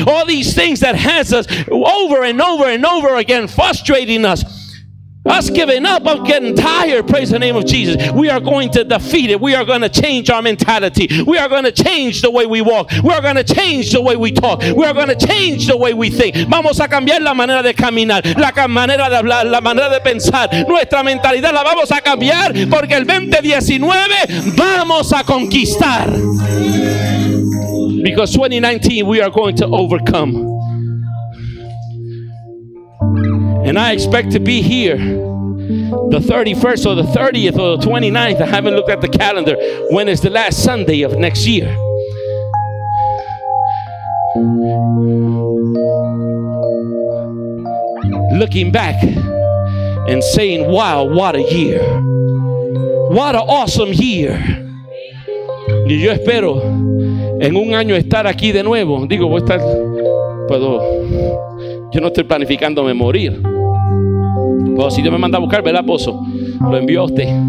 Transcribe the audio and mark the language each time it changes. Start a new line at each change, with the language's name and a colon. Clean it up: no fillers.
English: All these things that has us over and over and over again frustrating us. Us giving up, I'm getting tired, praise the name of Jesus. We are going to defeat it. We are going to change our mentality. We are going to change the way we walk. We are going to change the way we talk. We are going to change the way we think. Vamos a cambiar la manera de caminar, la manera de hablar, la manera de pensar. Nuestra mentalidad la vamos a cambiar, porque el 2019 vamos a conquistar. Because 2019 we are going to overcome. And I expect to be here the 31st or the 30th or the 29th. I haven't looked at the calendar. When is the last Sunday of next year? Looking back and saying, wow, what a year. What an awesome year.
Spanish: Y yo espero en un año estar aquí de nuevo. Digo, voy a estar, puedo, yo no estoy planificándome morir. Oh, si Dios me manda a buscar, ¿verdad, pozo? Lo envió a usted.